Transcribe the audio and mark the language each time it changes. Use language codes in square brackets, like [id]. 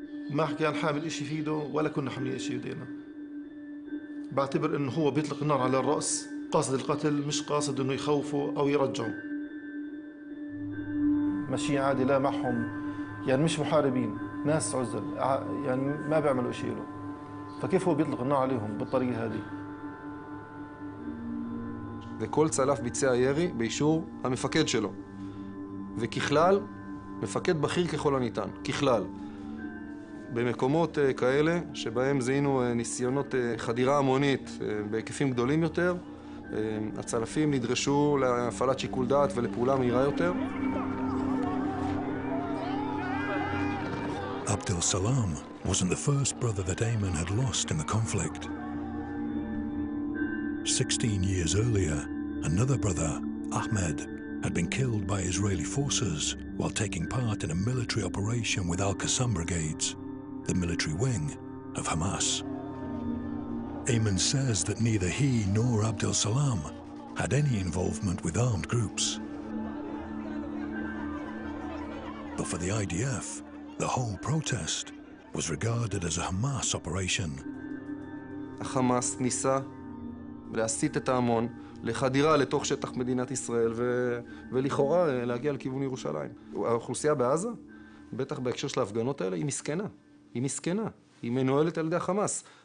[ar] ما حكي عن حامل إشي في إيده ولا كنا حاملين إشي يدينا بعتبر إنه هو بيطلق النار على الرأس قاصد القتل مش قاصد إنه يخوفه أو يرجعه ماشي عادي لا معهم يعني مش محاربين ناس عزل يعني ما بيعملوا إشي له فكيف هو بيطلق النار عليهم بالطريقة هذه وكل [he] צלף ביצע ירי באישור המפקד שלו וככלל מפקד בכיר ככל הניתן ככלל במקומות כאלה שבהם זיהינו ניסיונות חדירה המונית בהיקפים גדולים יותר, הצלפים נדרשו להפעלת שיקול דעת ולפעולה מהירה יותר. [en] עבד אל-סלאם wasn't the first brother that Ayman had lost in the conflict. 16 years earlier, another brother, Ahmed, had been killed by Israeli forces while taking part in a military operation with Al-Qassam brigades. The military wing of Hamas. Ayman says that neither he nor Abd al-Salam had any involvement with armed groups. But for the IDF, the whole protest was regarded as a Hamas operation. [he] Hamas nisa להסיט את ההמון לחדירה לתוך שטח מדינת ישראל ולכאורה להגיע לכיוון ירושלים. האוכלוסייה בעזה, בטח בהקשר של ההפגנות האלה, היא מסכנה. היא מסכנה, היא מנוהלת על ידי החמאס.